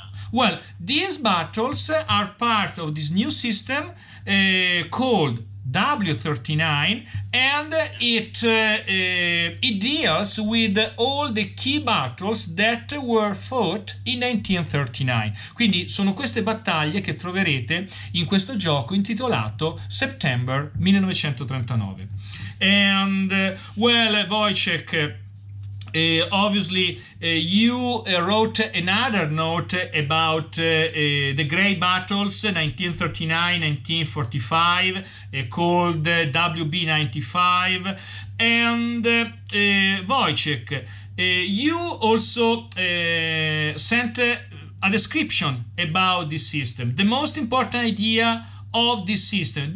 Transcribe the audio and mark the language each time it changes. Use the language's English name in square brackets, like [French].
[English] Well, these battles are part of this new system called W39, and it deals with all the key battles that were fought in 1939. [Italian] Quindi sono queste battaglie che troverete in questo gioco intitolato September 1939. [English] And well, Wojciech, obviously you wrote another note about the great battles 1939-1945 called WB95, and Wojciech, you also sent a description about this system, the most important idea of this system.